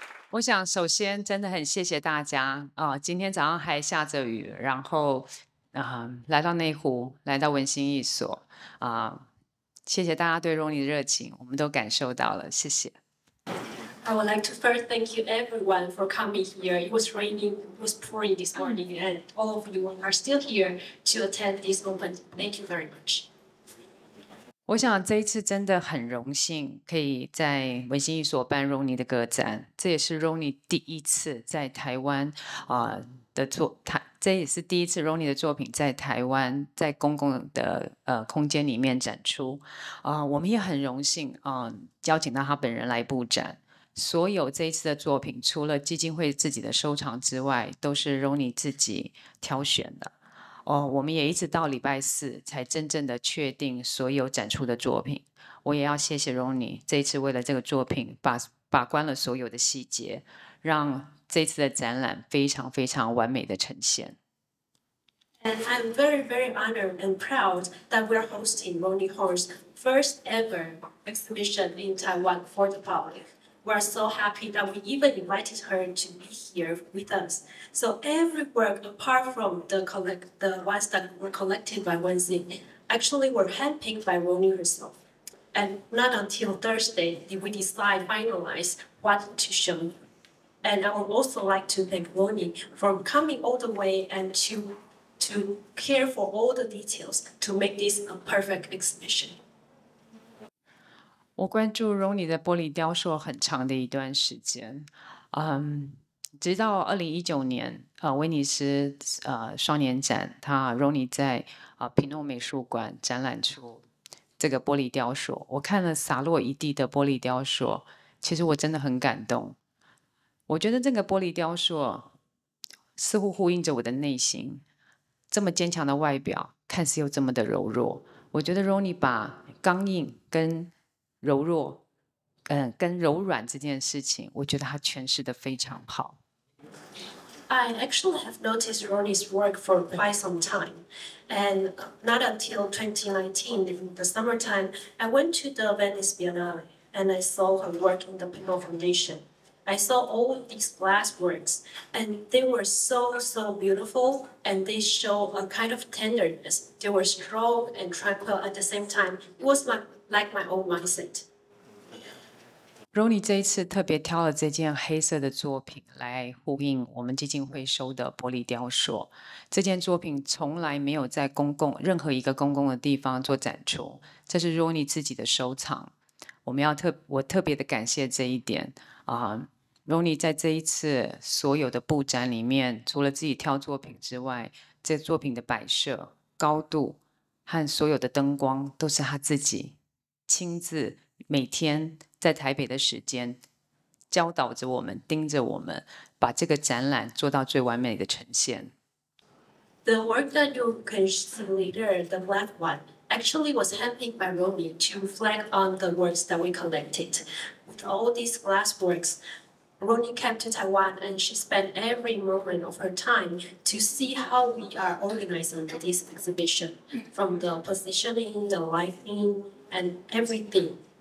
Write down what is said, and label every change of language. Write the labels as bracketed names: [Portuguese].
[Chinese] 我想首先真的很谢谢大家，今天早上还下着雨，然后来到内湖，来到文心艺所，谢谢大家对Roni的热情，我们都感受到了，谢谢。 [English] I would like to first thank you everyone for coming here. It was raining, it was pouring this morning, and all of you are still here to attend this open. Thank you very much. [Chinese] 我想这一次真的很荣幸可以在文心艺所办Roni的个展，这也是Roni第一次在台湾，的作品，这也是第一次 Roni 的作品在台湾在公共的，空间里面展出，我们也很荣幸，邀请到他本人来布展。所有这一次的作品除了基金会自己的收藏之外，都是 Roni 自己挑选的，我们也一直到礼拜四才真正的确定所有展出的作品。我也要谢谢 Roni 这一次为了这个作品 把关了所有的细节，让这次的展览非常非常完美的呈现。 [English] And I'm very, very honored and proud that we're hosting Roni Horn's first ever exhibition in Taiwan for the public. We're so happy that we even invited her to be here with us. So every work apart from the ones that were collected by Wenxin actually were handpicked by Roni herself. And not until Thursday did we decide, finalize what to show. And I would also like to thank Roni for coming all the way and to care for all the details to make this a perfect exhibition. [Chinese] 我关注 Roni 的玻璃雕塑很长的一段时间，直到2019年，威尼斯，双年展，他 Roni 在，皮诺美术馆展览出这个玻璃雕塑，我看了洒落一地的玻璃雕塑，其实我真的很感动。我觉得这个玻璃雕塑似乎呼应着我的内心，这么坚强的外表看似又这么的柔弱，我觉得 Roni 把刚硬跟柔弱，跟柔软这件事情，我觉得他诠释得非常好。 [English] I actually have noticed Roni's work for quite some time, and not until 2019 in the summertime I went to the Venice Biennale and I saw her work in the Pinot Foundation. I saw all of these glass works, and they were so, so beautiful, and they show a kind of tenderness. They were strong and tranquil at the same time. It was like my own mindset. [Chinese] Roni 这一次特别挑了这件黑色的作品来呼应我们基金会收的玻璃雕塑。这件作品从来没有在任何一个公共的地方做展出，这是 Roni 自己的收藏。我特别的感谢这一点。Roni 在这一次所有的布展里面，除了自己挑作品之外，这作品的摆设、高度和所有的灯光都是他自己亲自每天在台北的时间教导着我们、盯着我们，把这个展览做到最完美的呈现。 [English] The work that you can see later, the black one, actually was handpicked by Roni to reflect on the works that we collected. All these glass works, Roni came to Taiwan and she spent every moment of her time to see how we are organizing this exhibition, from the positioning, the lighting, and everything.